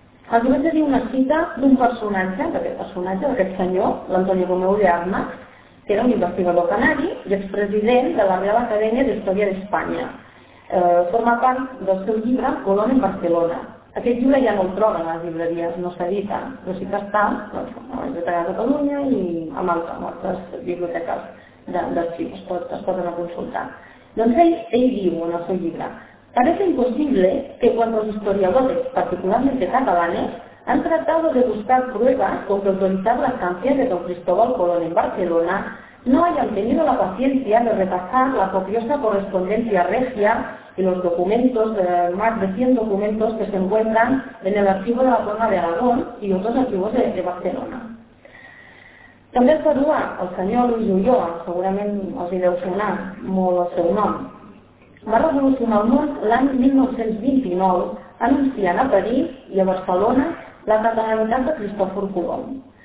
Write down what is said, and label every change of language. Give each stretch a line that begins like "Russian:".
Catalan: Els vaig dir una cita d'un personatge, d'aquest senyor, l'Antonio Romeu de Armas, que era un investigador canari i expresident de la Real Academia de Història d'Espanya. Forma part del seu llibre Colón en Barcelona. Aquest llibre ja no el troben a les llibreries, no s'edita, però sí que està a la Biblioteca de Catalunya i a altres biblioteques d'arxiu, es poden consultar. Doncs ell diu en el seu llibre:
Spanish: parece imposible que cuando los historiadores, particularmente catalanes, han tratado de buscar pruebas contra autorizar la estancia de don Cristóbal Colón en Barcelona, no hayan tenido la paciencia de repasar la copiosa correspondencia regia y los documentos, más de 100 documentos que se encuentran en el archivo de la Corona de Aragón y otros archivos de Barcelona.
Catalan: També es parla el senyor Luis Ulloa, segurament els hi deu sonar molt el seu nom. Va revolucionar el món l'any 1929, anunciant a París i a Barcelona la catalanitat de Cristòfor Colom.